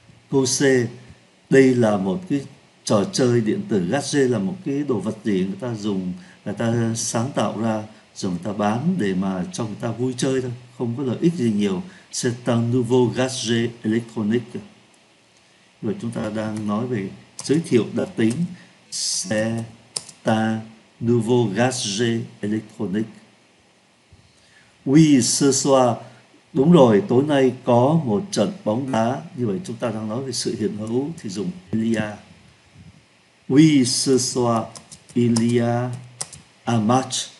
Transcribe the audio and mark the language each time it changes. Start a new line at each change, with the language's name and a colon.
Vietnamese: Câu C, đây là một cái trò chơi điện tử. Gadget là một cái đồ vật gì người ta dùng, người ta sáng tạo ra, rồi người ta bán để mà cho người ta vui chơi thôi, không có lợi ích gì nhiều.
French: C'est un nouveau gadget électronique.
Vietnamese: Rồi chúng ta đang nói về giới thiệu đặc tính.
French: C'est un nouveau gadget électronique. Oui, ce soir.
Vietnamese: Đúng rồi, tối nay có một trận bóng đá. Như vậy chúng ta đang nói về sự hiện hữu thì dùng Ilia.
French: Oui, ce soir, il y a un match.